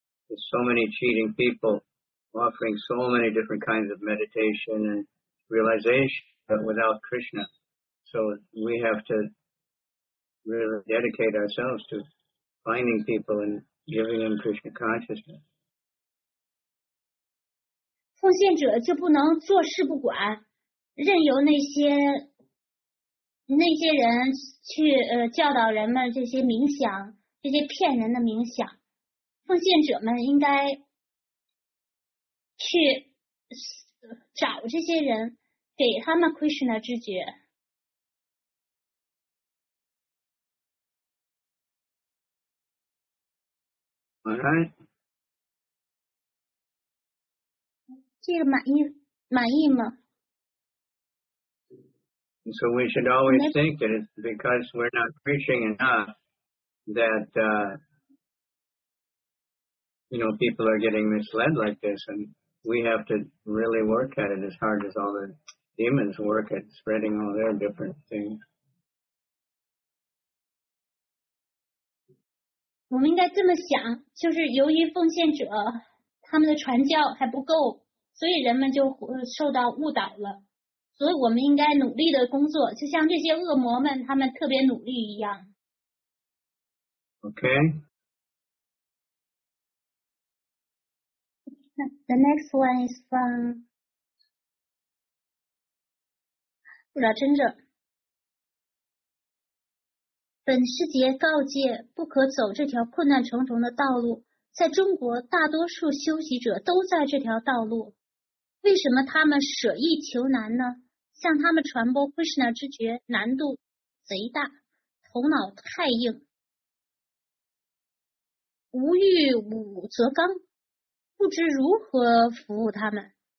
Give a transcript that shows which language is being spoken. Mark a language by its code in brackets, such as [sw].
[en] There's so many cheating people offering so many different kinds of meditation and realization, but without Krishna. So, we have to really dedicate ourselves to finding people and giving them Krishna consciousness. [zh] 奉献者就不能坐视不管，任由那些人去教导人们这些冥想，这些骗人的冥想，奉献者们应该去找这些人，给他们 Krishna 知觉。 [en] Alright. [zh] 这个满意吗？ [en] So we should always think that it's because we're not preaching enough that, you know, people are getting misled like this. And we have to really work at it as hard as all the demons work at spreading all their different things. [zh] 我们应该这么想，就是由于奉献者他们的传教还不够，所以人们就受到误导了。所以我们应该努力的工作，就像这些恶魔们他们特别努力一样。 [en] Okay. The next one is from Rajendra. [zh] 本师节告诫不可走这条困难重重的道路，在中国大多数修习者都在这条道路，为什么他们舍易求难呢？向他们传播 Krishna 之觉难度贼大，头脑太硬，无欲武则刚，不知如何服务他们。